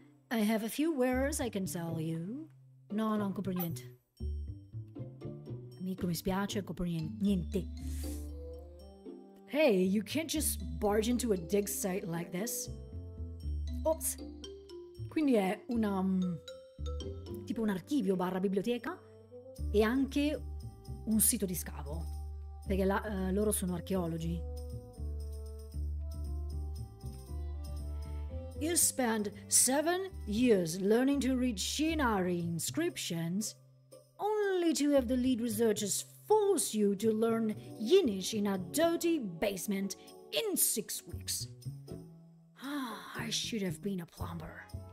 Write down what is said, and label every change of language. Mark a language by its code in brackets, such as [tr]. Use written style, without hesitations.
[en] I have a few wares I can sell you. [it] No, non compro niente. Amico, mi spiace, compro niente. [en] Hey, you can't just barge into a dig site like this. Oops. [it] Quindi è tipo un archivio barra biblioteca e anche un sito di scavo, perché loro sono archeologi. [en] You spend 7 years learning to read Shinari inscriptions, only to have the lead researchers force you to learn Yiddish in a dirty basement in 6 weeks. Ah, I should have been a plumber.